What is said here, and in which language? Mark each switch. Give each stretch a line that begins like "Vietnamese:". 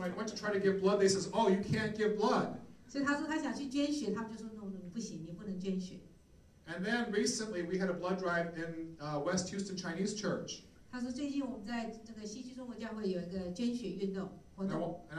English: I went to try to give blood. They says, "Oh, you can't give blood."
Chinese: 所以他说他想去捐血，他们就说 "No, 不行，你不能捐血."
English: And then recently, we had a blood drive in West Houston Chinese Church.
Chinese: 他说最近我们在这个西区中国教会有一个捐血运动活动。And